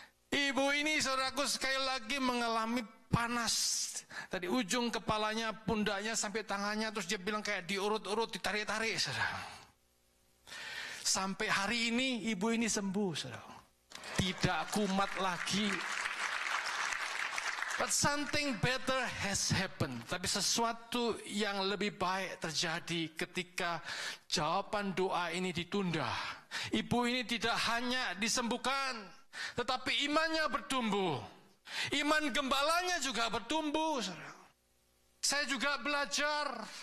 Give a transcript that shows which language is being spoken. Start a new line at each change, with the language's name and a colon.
Indonesian: Ibu ini, saudaraku, sekali lagi mengalami panas dari ujung kepalanya, pundaknya sampai tangannya, terus dia bilang kayak diurut-urut, ditarik-tarik, saudara. Sampai hari ini ibu ini sembuh, saudara. Tidak kumat lagi.
English: But something better has happened.
Indonesian: Tapi sesuatu yang lebih baik terjadi ketika jawaban doa ini ditunda. Ibu ini tidak hanya disembuhkan, tetapi imannya bertumbuh. Iman gembalanya juga bertumbuh. Saya juga belajar.